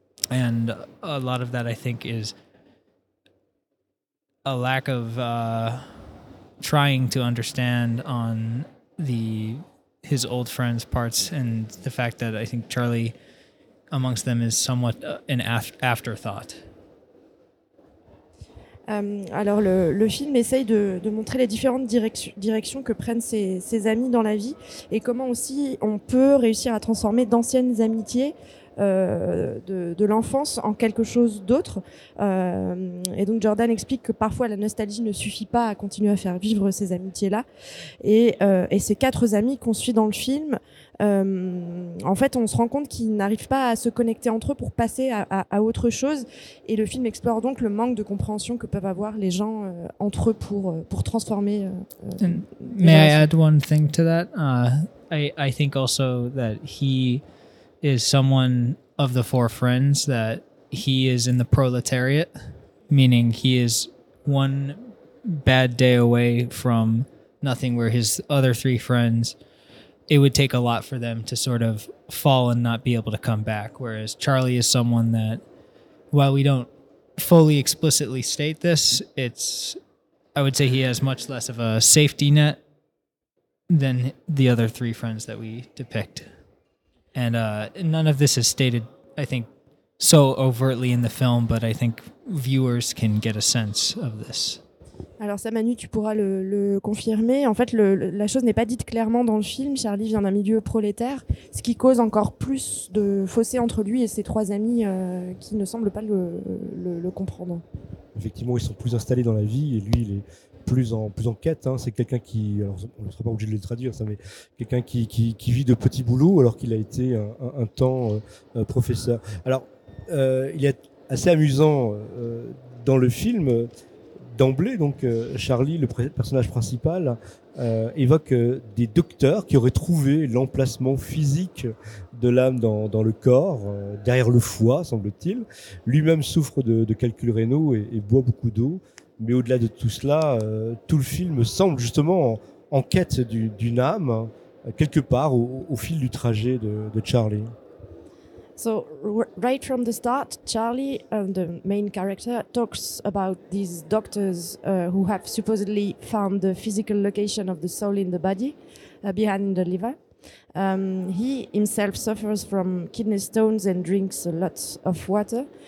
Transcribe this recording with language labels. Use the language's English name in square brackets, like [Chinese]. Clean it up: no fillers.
[English] And a lot of that, I think, is a lack of trying to understand on his old friends' parts, and the fact that I think Charlie amongst them is somewhat an afterthought. [French] Alors le film essaye de montrer les différentes directions que prennent ses amis dans la vie et comment aussi on peut réussir à transformer d'anciennes amitiés de l'enfance en quelque chose d'autre. Et donc Jordan explique que parfois la nostalgie ne suffit pas à continuer à faire vivre ces amitiés-là. Et ces quatre amis qu'on suit dans le film, en fait, on se rend compte qu'ils n'arrivent pas à se connecter entre eux pour passer à autre chose. Et le film explore donc le manque de compréhension que peuvent avoir les gens entre eux pour transformer. [English] May I add one thing to that? I think also that he is someone of the four friends that he is in the proletariat, meaning he is one bad day away from nothing, where his other three friends, it would take a lot for them to sort of fall and not be able to come back. Whereas Charlie is someone that, while we don't fully explicitly state this, it's, I would say he has much less of a safety net than the other three friends that we depict. And none of this is stated, I think, so overtly in the film, but I think viewers can get a sense of this. [French] Alors ça, Manu, tu pourras le confirmer. En fait, la chose n'est pas dite clairement dans le film. Charlie vient d'un milieu prolétaire, ce qui cause encore plus de fossé entre lui et ses trois amis qui ne semblent pas le comprendre. Effectivement, ils sont plus installés dans la vie et lui, il est plus en quête. Hein. C'est quelqu'un qui, alors on ne sera pas obligé de le traduire, ça, mais quelqu'un qui vit de petits boulots alors qu'il a été un temps professeur. Alors, il est assez amusant dans le film. D'emblée, donc, Charlie, le personnage principal, évoque des docteurs qui auraient trouvé l'emplacement physique de l'âme dans le corps, derrière le foie, semble-t-il. Lui-même souffre de calculs rénaux et boit beaucoup d'eau. Mais au-delà de tout cela, tout le film semble justement en quête d'une âme, quelque part au fil du trajet de Charlie. [English] So right from the start, Charlie, the main character, talks about these doctors who have supposedly found the physical location of the soul in the body, behind the liver. He himself suffers from kidney stones and drinks a lot of water.